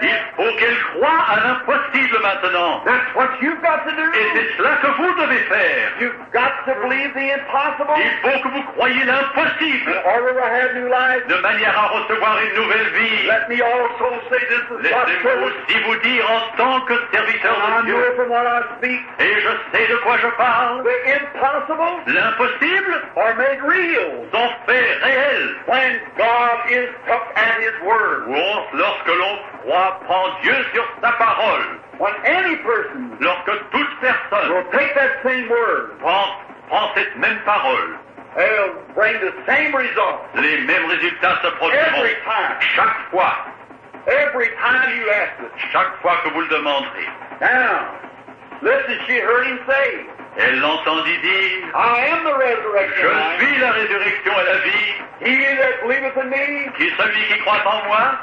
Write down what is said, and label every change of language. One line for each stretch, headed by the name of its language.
French: Il faut qu'elle croie à l'impossible maintenant.
English: That's what you've got to do.
French: Et c'est cela que vous devez faire.
English: You've got to believe the impossible.
French: Il faut que vous croyiez l'impossible.
English: In order to have new life.
French: De manière à recevoir une nouvelle vie.
English: Let me also say this is possible.
French: Laissez-moi aussi vous dire en tant que serviteur de Dieu.
English: I know from what I speak.
French: Et je sais de quoi je parle.
English: The impossible.
French: L'impossible.
English: Are made real.
French: Sont faits réels.
English: When God is up at His word.
French: Lorsque l'on croit, prend Dieu sur sa parole.
English: When any person.
French: Lorsque toute personne.
English: Will take that same word.
French: Prend cette même parole.
English: They'll bring the same results.
French: Les mêmes résultats se produiront.
English: Every time.
French: Chaque fois.
English: Every time you ask it.
French: Chaque fois que vous le demanderez.
English: Now, listen, she heard him say.
French: Elle l'entendit dire.
English: I am the resurrection.
French: Je suis la résurrection et la vie.
English: He that believeth in me.
French: Qui celui qui croit en moi.